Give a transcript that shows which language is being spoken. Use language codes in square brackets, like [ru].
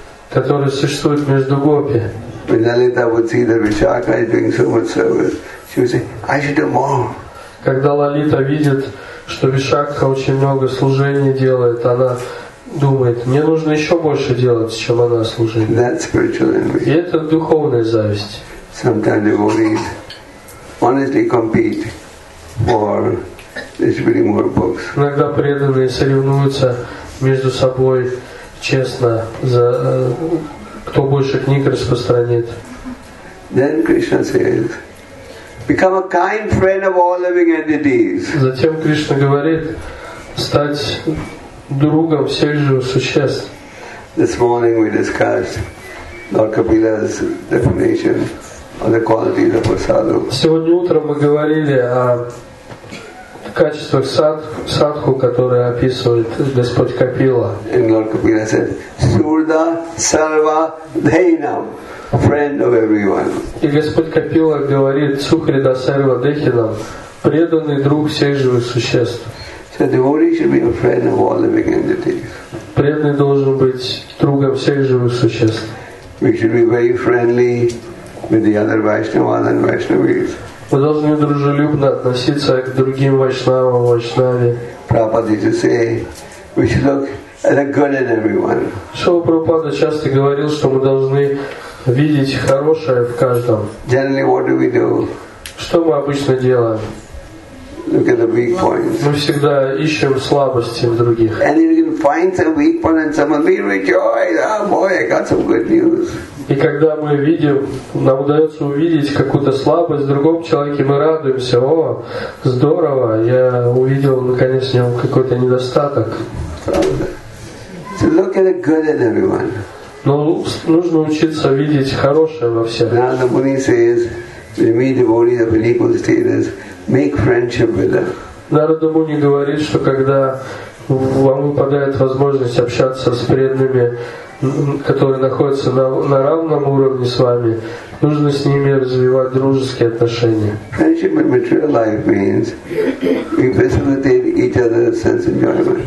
[ru] Которая существует между гопи. [en] When Lalita would see the Vishakha doing so much service, she would say, I should do more. [ru] Когда Лалита видит, что Вишакха очень много служений делает, она думает, мне нужно еще больше делать, чем она служит. [en] That's spiritual envy. [ru] И это духовная зависть. [en] Sometimes devotees honestly compete for distributing more books. [ru] Иногда преданные соревнуются между собой честно за кто больше книг распространит. [en] Then Krishna says, become a kind friend of all living entities. [ru] Затем Кришна говорит, стать другом всех живых существ. [en] This morning we discussed Lord Kapila's definition of the qualities of a sadhu. [ru] Сегодня утром мы говорили о качествах садху, которые описывает Господь Капила. [en] And Lord Kapila said, Surda Sarva Dhainam. Friend of everyone. [ru] И Господь Капила говорит Сухрида Сарва Дехинам, преданный друг всех живых существ. [en] So devotee should be a friend of all living entities. [ru] Преданный должен быть другом всех живых существ. [en] We should be very friendly with the other Vaishnavas and Vaishnavis. [ru] Мы должны дружелюбно относиться к другим Вайшнавам, Вайшнаве. [en] Prabhupada used to say, we should look at the good in everyone. [ru] Шрила Прабхупада часто говорил, что мы должны видеть хорошее в каждом. [en] Generally, what do we do? [ru] Что мы обычно делаем? [en] Look at the weak points. [ru] Мы всегда ищем слабости в других. [en] And if you can find some weak point in someone, we rejoice. Oh boy, I got some good news. [ru] И когда мы видим, нам удается увидеть какую-то слабость в другом человеке, мы радуемся. О, здорово, я увидел наконец в нем какой-то недостаток. [en] So look at the good in everyone. [ru] Но нужно учиться видеть хорошее во всех. [en] Narada Muni says, when you meet devotees of an equal status, make friendship with them. [ru] Narada Muni говорит, что когда вам выпадает возможность общаться с преданными, которые находятся на равном уровне с вами, нужно с ними развивать дружеские отношения. [en] Friendship in material life means we facilitate each other's sense enjoyment.